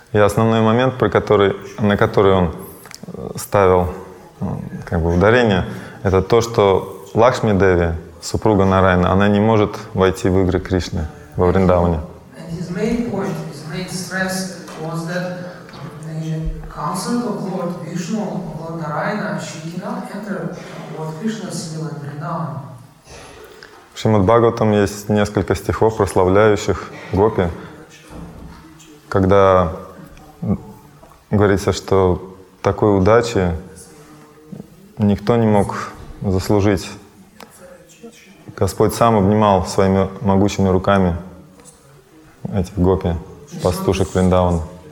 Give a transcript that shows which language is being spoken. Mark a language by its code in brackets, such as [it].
[ru] И основной момент, на который он ставил ударение, это то, что Лакшми Деви, супруга Нараяны, она не может войти в игры Кришны во Вриндаване. [en] And his main point, his main stress was that the consort of Lord Vishnu, Lord Narayana, she cannot enter Lord Krishna's will in Vrindavan. [ru] В Шримад-Бхагаватам есть несколько стихов, прославляющих гопи, когда говорится, что такой удачи никто не мог заслужить. Господь сам обнимал своими могучими руками этих гопи, пастушек Вриндавана.